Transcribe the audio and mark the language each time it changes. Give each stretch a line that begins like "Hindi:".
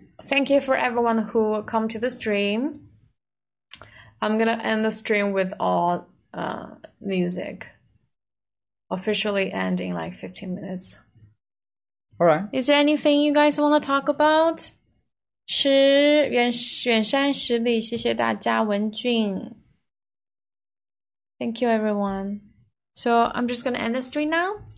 English: Thank you for everyone who come to the stream. I'm gonna end the stream with all music. Officially ending like 15 minutes. All right. Is there anything you guys want to talk about?
Chinese: 远山十里, 谢谢大家, 文俊.
English: Thank you, everyone. So I'm just going to end the stream now.